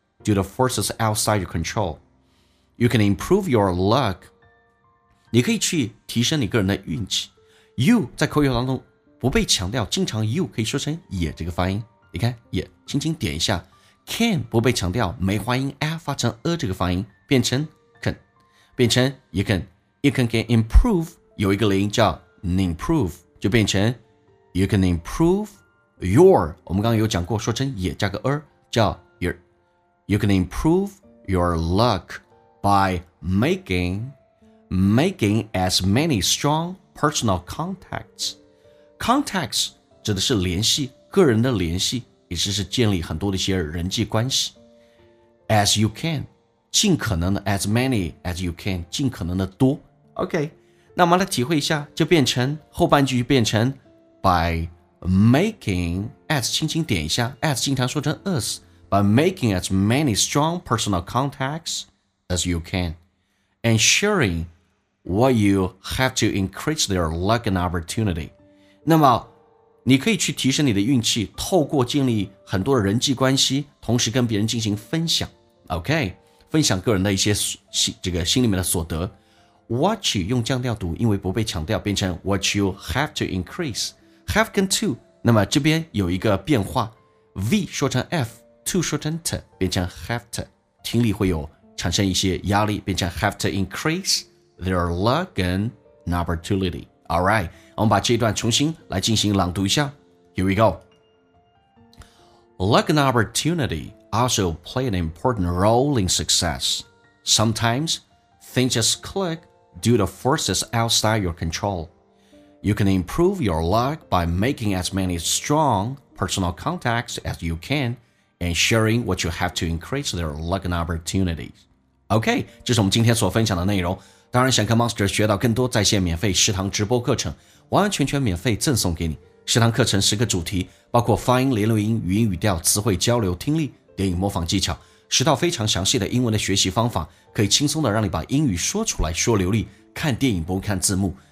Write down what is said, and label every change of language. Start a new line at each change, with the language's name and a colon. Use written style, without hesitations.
English: due to forces outside your control. You can improve your luck.
Chinese: 你可以去提升你个人的运气。You 在口语当中不被强调，经常 you 可以说成也这个发音。你看也轻轻点一下。Can 不被强调，没发音 a 发成 a 这个发音，变成 can， 变成 you can。
English: You can get improve
Chinese: 有一个零叫
English: improve， 就变成 you can improve your。
Chinese: 我们刚刚有讲过，说成也加个 er 叫 your。
English: You can improve your luck by making as many strong personal contacts。
Chinese: Contacts 指的是联系，个人的联系，也就是建立很多的一些人际关系。
English: As you can，
Chinese: 尽可能的
English: as many as you can，
Chinese: 尽可能的多。
English: OK， 那我们来体会一下，就变成后半句变成 by making as
Chinese: 轻轻点一下
English: as
Chinese: 经常说成
English: us by making as many strong personal contacts as you can ensuring what you have to increase their luck and opportunity。
Chinese: 那么你可以去提升你的运气，透过建立很多的人际关系，同时跟别人进行分享。 OK， 分享个人的一些这个心里面的所得。 What you 用降调读，因为不被强调，变成 What you
English: have to increase have 跟 to， 那么这边有一个变化， V 说成 F， to 说成 t， 变成 have to， 听力会有产生一些压力，变成 have to increase their luck and opportunity。
Chinese: Alright， 我们把这一段重新来进行朗读一下。
English: Here we go。 Luck and opportunity also play an important role in success. SometimesThings just click due to forces outside your control. You can improve your luck by making as many strong personal contacts as you can and sharing what you have to increase their luck and opportunities.
Chinese: OK， 这是我们今天所分享的内容。当然想跟 Monster 学到更多在线免费食堂直播课程，完完全全免费赠送给你。食堂课程十个主题，包括发音、连录音、语音语调、词汇交流、听力、电影模仿技巧，十道非常详细的英文的学习方法，可以轻松的让你把英语说出来说流利，看电影不用看字幕。